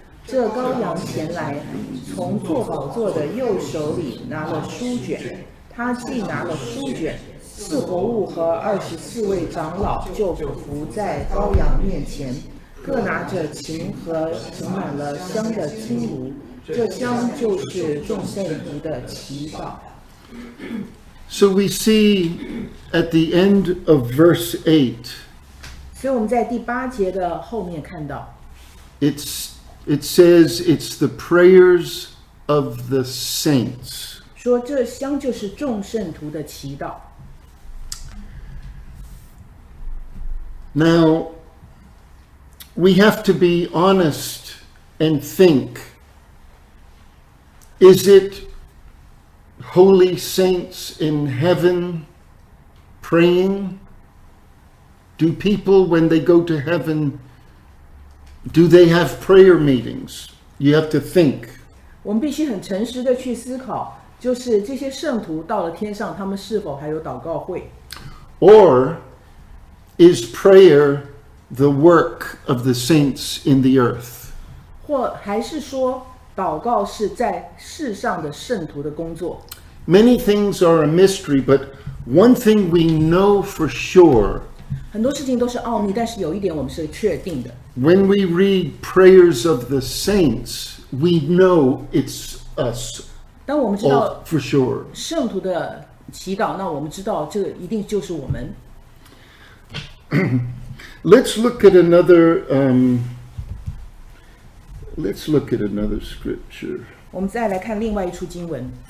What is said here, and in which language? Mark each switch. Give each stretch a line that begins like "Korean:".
Chinese: 这羔羊前来，从坐宝座的右手里拿了书卷。他既拿了书卷，四活物和24位长老就伏在羔羊面前，各拿着琴和盛满了香的金炉，这香就是众圣徒的祈祷。
English: So we see at the end of verse 8,
Chinese: 所以我们在第八节的后面看到,
English: it says it's the prayers of the saints.
Chinese: 说这香就是众圣徒的祈祷。
English: Now, we have to be honest and think, is it Holy saints in heaven praying? Do people, when they go to heaven, do they have prayer meetings? You have to think.
Chinese: 我们必须很诚实地去思考，就是这些圣徒到了天上，他们是否还有祷告会？
English: Or is prayer the work of the saints in the earth?
Chinese: 或还是说祷告是在世上的圣徒的工作。
English: Many things are a mystery, but one thing we know for sure.
Chinese: 很多事情都是奥秘，但是有一点我们是确定的。
English: When we read prayers of the saints, we know it's us.
Chinese: 当我们知道
English: for sure
Chinese: 圣徒的祈祷，那我们知道这一定就是我们。
English: Let's look at another. Let's look at another scripture.
Chinese: 我们再来看另外一处经文。